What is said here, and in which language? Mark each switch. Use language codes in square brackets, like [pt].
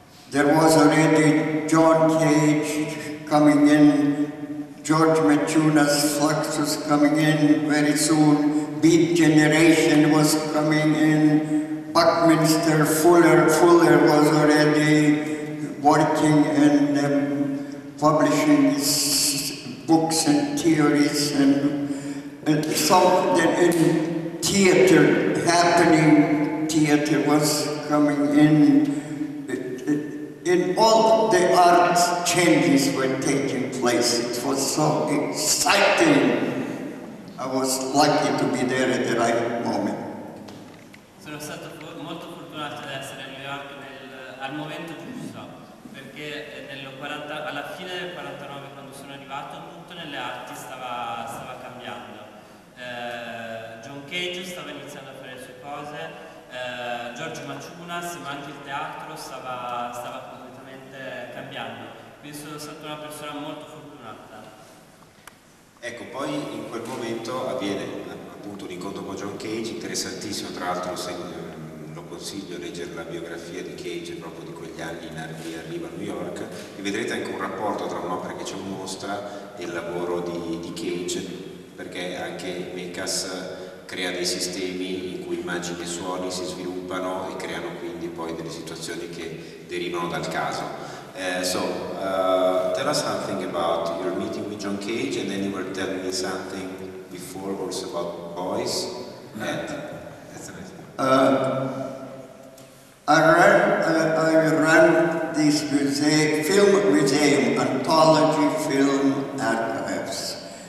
[en] There was already John Cage coming in, George Machunas, Fluxus coming in very soon, Beat Generation was coming in, Buckminster Fuller was already working and publishing books and theories, and so that in theater happening, theater was coming in. In all the arts, changes were taking place. It was so exciting. I was lucky to be there at the right moment. [it] Sono stato molto fortunato ad essere a New York al momento giusto, perché alla fine del 49, quando sono arrivato, nelle arti stava cambiando. John Cage stava iniziando a fare le sue cose, George Machunas, ma anche il teatro stava completamente cambiando. Quindi sono stata una persona molto fortunata. Ecco, poi in quel momento avviene appunto un incontro con John Cage, interessantissimo, tra l'altro lo consiglio a leggere la biografia di Cage proprio di quegli anni in cui arriva a New York, e vedrete anche un rapporto tra un'opera che c'è in mostra e il lavoro di Cage, perché anche Mekas crea dei sistemi in cui immagini e suoni si sviluppano e creano quindi poi delle situazioni che derivano dal caso. [en] Tell us something about your meeting with John Cage, and then you were telling me something before also about Boys. I run this film museum, anthology film archives.